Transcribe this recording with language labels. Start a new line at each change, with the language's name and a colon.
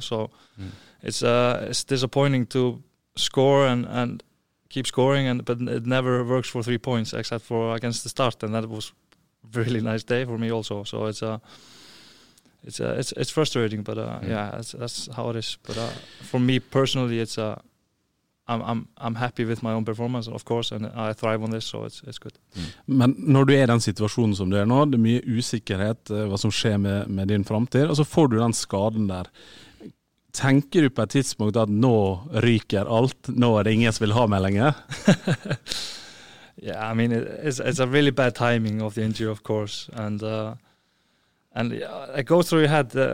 English: So it's disappointing to score and keep scoring, but it never works for 3 points except for against the start, and that was a really nice day for me also. So it's frustrating, but that's how it is. But for me personally, I'm happy with my own performance, of course, and I thrive on this, so it's good. Mm.
Swedish: Men när du är i den situationen som du är nu, det är mycket osäkerhet vad som sker med din framtid, och så får du den skaden där. Tänker du på ett tidspunkt att nu ryker allt, nu är det ingen som vill ha mig längre?
English: Yeah, I mean it's a really bad timing of the injury, of course, and it goes through your head.